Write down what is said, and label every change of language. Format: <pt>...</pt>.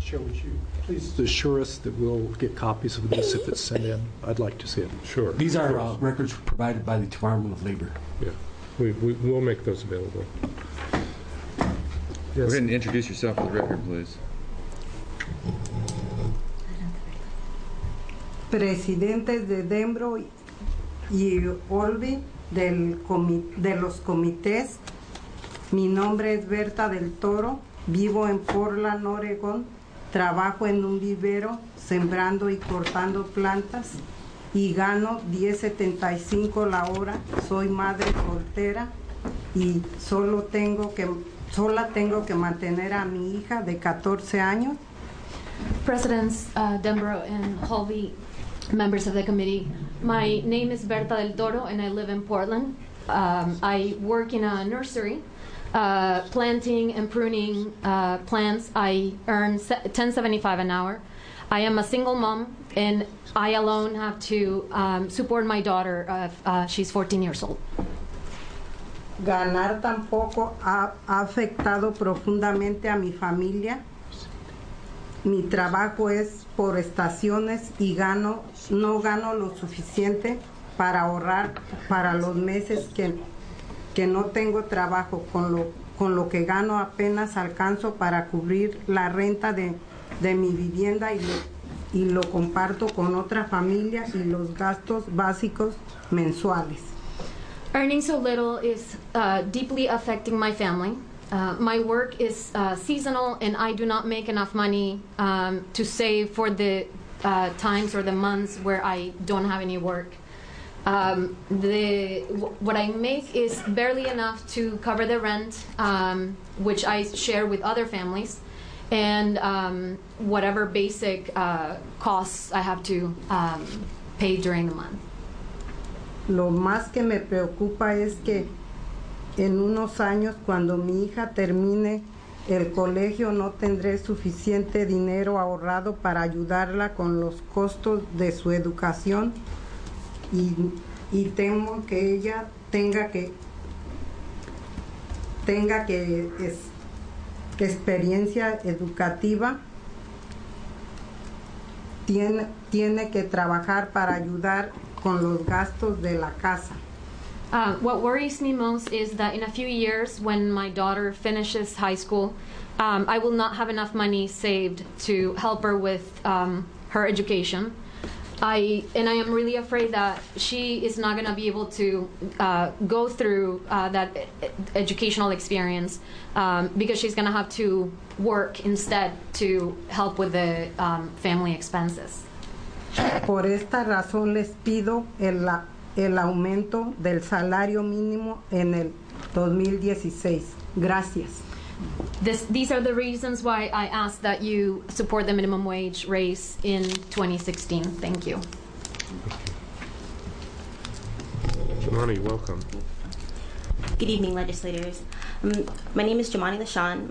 <en>Chair, would you please assure us that we'll get copies of this if it's sent in? I'd like to see it. Sure. These are records provided by the Department of Labor. Yeah. We'll make those available. Yes. Go ahead and introduce yourself for the record, please.</en> <es>Presidente de Dembro y Olvi de los comités. Mi nombre es Berta del Toro. Vivo en Portland, Oregon. Trabajo en un vivero sembrando y cortando plantas y gano $10.75 la hora. Soy madre soltera y sola tengo que mantener a mi hija de 14 años.</es> <en>Presidents Dembro and Holvey, members of the committee, my name is Berta del Toro and I live in Portland. I work in a nursery, planting and pruning plants. I earn $10.75 an hour. I am a single mom and I alone have to support my daughter. She's 14 years old.</en> <es>Ganar tampoco ha afectado profundamente a mi familia. Mi trabajo es por estaciones y no gano lo suficiente para ahorrar para los meses que no tengo trabajo. Con lo que gano apenas alcanzo para cubrir la renta de mi vivienda y lo comparto con otra familia y los gastos básicos mensuales.</es> <en>Earning so little is deeply affecting my family. My work is seasonal, and I do not make enough money to save for the times or the months where I don't have any work. What I make is barely enough to cover the rent, which I share with other families, and whatever basic costs I have to pay during the month.</en> <es>Lo más que me preocupa es que en unos años, cuando mi hija termine el colegio, no tendré suficiente dinero ahorrado para ayudarla con los costos de su educación y temo que ella tenga que experiencia educativa, tiene que trabajar para ayudar con los gastos de la casa.</es> <en>What worries me most is that in a few years, when my daughter finishes high school, I will not have enough money saved to help her with her education. I am really afraid that she is not going to be able to go through that educational experience because she's going to have to work instead to help with the family expenses.</en> <es>Por esta razón les pido el aumento del salario mínimo en el 2016. Gracias.</es> <en>These are the reasons why I ask that you support the minimum wage raise in 2016. Thank you. Jemani, welcome. Good evening, legislators. My name is Jemani LaShawn.</en>